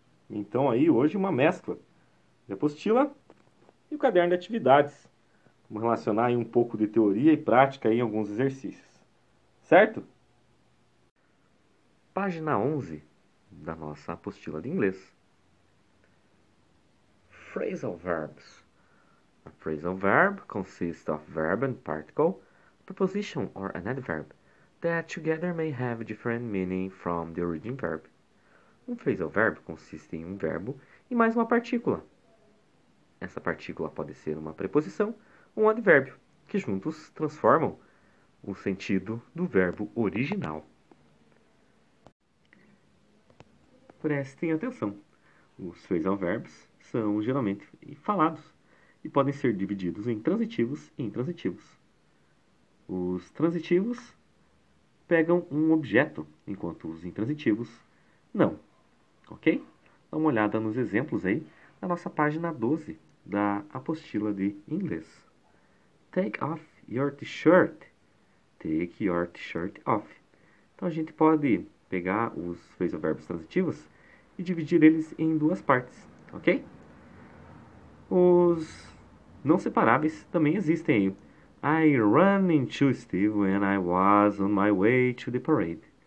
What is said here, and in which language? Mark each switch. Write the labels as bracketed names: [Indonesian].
[Portuguese] Então aí hoje uma mescla. Apostila e o caderno de atividades. Vamos relacionar aí um pouco de teoria e prática em alguns exercícios. Certo? Página 11 da nossa apostila de inglês. [English] Phrasal verbs. A phrasal verb consists of verb and particle, preposition or an adverb, that together may have different meaning from the origin verb. [Portuguese] Um phrasal verb consiste em um verbo e mais uma partícula. Essa partícula pode ser uma preposição ou um advérbio, que juntos transformam o sentido do verbo original. Prestem atenção. Os phrasal verbs são geralmente falados e podem ser divididos em transitivos e intransitivos. Os transitivos pegam um objeto, enquanto os intransitivos não. Ok? Dá uma olhada nos exemplos aí na nossa página 12. Da apostila de inglês. [English] Take off your t-shirt. Take your t-shirt off. [Portuguese] Então a gente pode pegar os phrasal verbos transitivos e dividir eles em duas partes, ok? Os não separáveis também existem. [English] I ran into Steve when I was on my way to the parade.